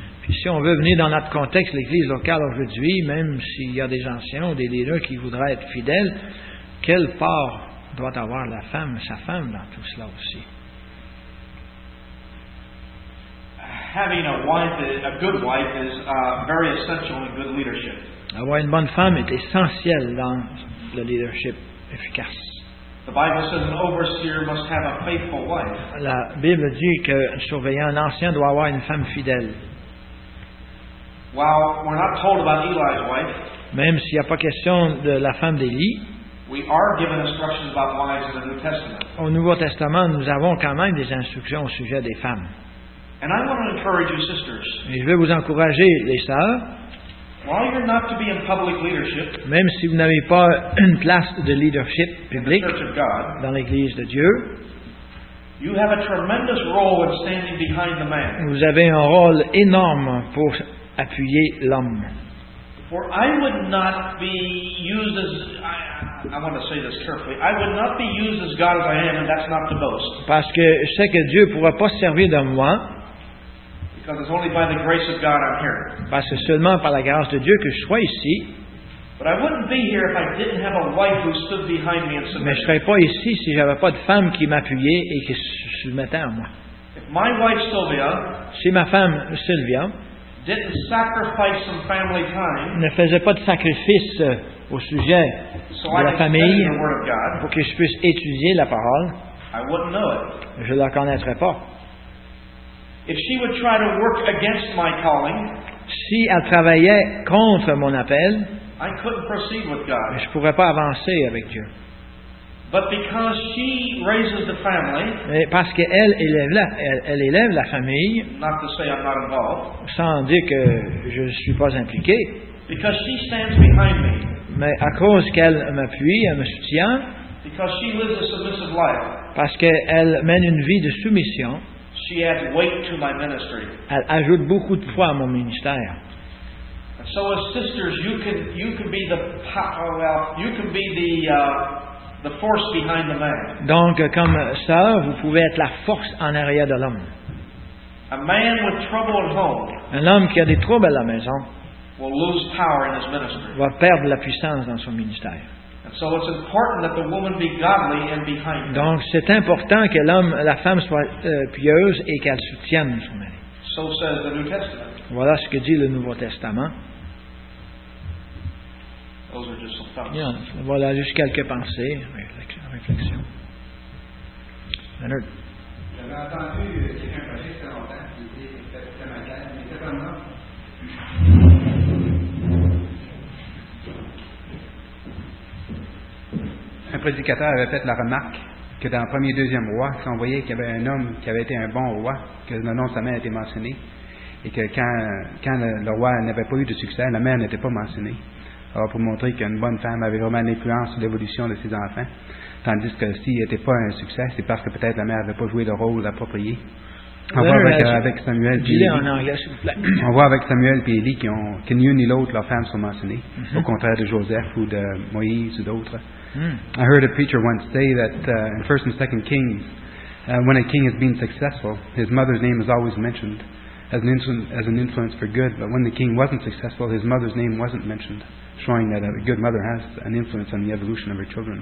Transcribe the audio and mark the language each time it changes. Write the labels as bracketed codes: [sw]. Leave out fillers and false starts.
[fr] Puis si on veut venir dans notre contexte, l'Église locale aujourd'hui, même s'il y a des anciens ou des leaders qui voudraient être fidèles, quelle part doit avoir la femme, sa femme, dans tout cela aussi? [en] Having a wife, a good wife, is very essential in good leadership. [fr] Avoir une bonne femme est essentiel dans le leadership efficace. [en] The Bible says an overseer must have a faithful wife. [fr] La Bible dit qu'un surveillant, un ancien, doit avoir une femme fidèle. [en] While we're not told about Eli's wife, [fr] même s'il n'y a pas question de la femme d'Élie, [en] we are given instructions about wives in the New Testament. [fr] Au Nouveau Testament, nous avons quand même des instructions au sujet des femmes. [en] And I want to encourage you, sisters. [fr] Et je veux vous encourager, les sœurs. [en] While you're not to be in public leadership, [fr] même si vous n'avez pas une place de leadership public [en] in the Church of God, [fr] dans l'Église de Dieu, [en] You have a tremendous role in standing behind the man. [fr] Vous avez un rôle énorme pour appuyer l'homme. [en] For I would not be used as I want to say this carefully. I would not be used as God as I am, and that's not to boast. [fr] Parce que je sais que Dieu pourra pas servir de moi. [en] Because it's only by the grace of God I'm here. [fr] Parce que seulement par la grâce de Dieu que je sois ici. [en] But I wouldn't be here if I didn't have a wife who stood behind me and submitted. [fr] Mais je serais pas ici si j'avais pas de femme qui m'appuyait et qui se soumettait à moi. [en] If my wife Sylvia, [fr] si ma femme Sylvia, [en] didn't sacrifice some family time, [fr] ne faisait pas de sacrifice au sujet [en] so [fr] de [en] I [fr] la famille [en] study the word of God, [fr] pour que je puisse étudier la parole, [en] I wouldn't know it. [fr] Je la connaîtrais pas. [en] If she would try to work against my calling, [fr] si elle travaillait contre mon appel, [en] I couldn't proceed with God. [fr] Je pourrais pas avancer avec Dieu. [en] But because she raises the family, [fr] mais parce qu'elle élève elle élève la famille, [en] not to say I'm not involved, [fr] sans dire que je suis pas impliqué, [en] because she stands behind me, [fr] mais à cause qu'elle m'appuie, elle me soutient, [en] because she lives a submissive life, [fr] parce qu'elle mène une vie de soumission, [en] she adds weight to my ministry. [fr] Elle ajoute beaucoup de poids à mon ministère. [en] So as sisters, you can be the the force behind the man. [fr] Donc comme sœur, vous pouvez être la force en arrière de l'homme. [en] A man with trouble at home. [fr] Un homme qui a des troubles à la maison. [en] Will lose power in his ministry. [fr] Va perdre la puissance dans son ministère. [en] And so it's important that the woman be godly and behind. [fr] Donc c'est important que l'homme, la femme soit pieuse et qu'elle soutienne son mari. [en] So says the New Testament. [fr] Voilà ce que dit le Nouveau Testament. [en] Those are just some thoughts. [fr] Voilà juste quelques pensées, réflexions. Un prédicateur avait fait la remarque que dans le premier et deuxième roi, si on voyait qu'il y avait un homme qui avait été un bon roi, que le nom de sa mère a été mentionné, et que quand le roi n'avait pas eu de succès, la mère n'était pas mentionnée. Alors, pour montrer qu'une bonne femme avait vraiment une influence sur l'évolution de ses enfants. Tandis que s'il n'était pas un succès, c'est parce que peut-être la mère n'avait pas joué le rôle approprié. On voit avec Samuel et Élie que ni une ni l'autre, leurs femmes sont mentionnées, mm-hmm. au contraire de Joseph ou de Moïse ou d'autres. Mm. [en] I heard a preacher once say that in 1 and 2 Kings, when a king has been successful, his mother's name is always mentioned as an influence for good, but when the king wasn't successful, his mother's name wasn't mentioned. Showing that a good mother has an influence on the evolution of her children.